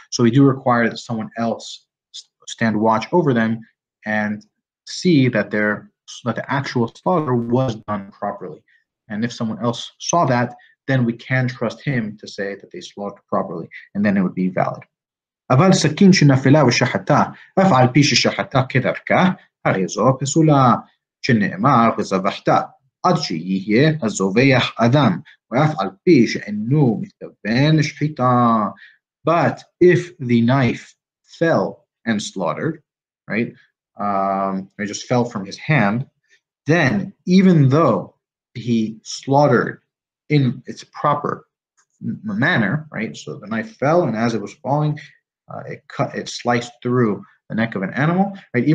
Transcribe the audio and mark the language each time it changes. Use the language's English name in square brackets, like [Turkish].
[English] So we do require that someone else stand watch over them and see that the actual slaughter was done properly. And if someone else saw that, then we can trust him to say that they slaughtered properly, and then it would be valid. [Hebrew] אבל סכין שנפלה ושחטה, אף על פי ששחטה כדרכה, הרי זו פסולה שנאמר וזבחת, עד שיהיה הזובח אדם, ואף על פי שאינו מתכוון לשחיטה. [English] But if the knife fell and slaughtered, right, it just fell from his hand, then even though he slaughtered in its proper manner, right, so the knife fell and as it was falling, it sliced through the neck of an animal, right?